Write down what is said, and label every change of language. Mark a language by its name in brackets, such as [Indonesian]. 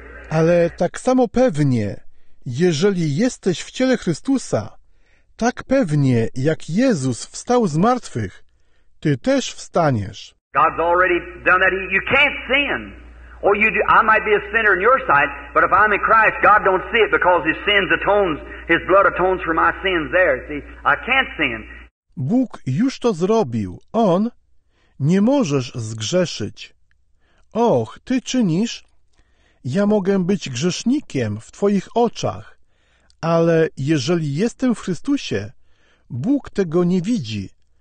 [Polish] Ale tak samo pewnie, jeżeli jesteś w ciele Chrystusa, tak pewnie, jak Jezus wstał z martwych, ty też wstaniesz. [English] God's already done that. You can't sin. Or you do. I might be a sinner in your sight, but if I'm in Christ, God don't see it because His sins atones, His blood atones for my sins there. See, I can't sin. [Polish] Bóg już to zrobił. On, nie możesz zgrzeszyć. Och, ty czynisz? Ja mogę być grzesznikiem w Twoich oczach, ale jeżeli jestem w Chrystusie, Bóg tego nie widzi.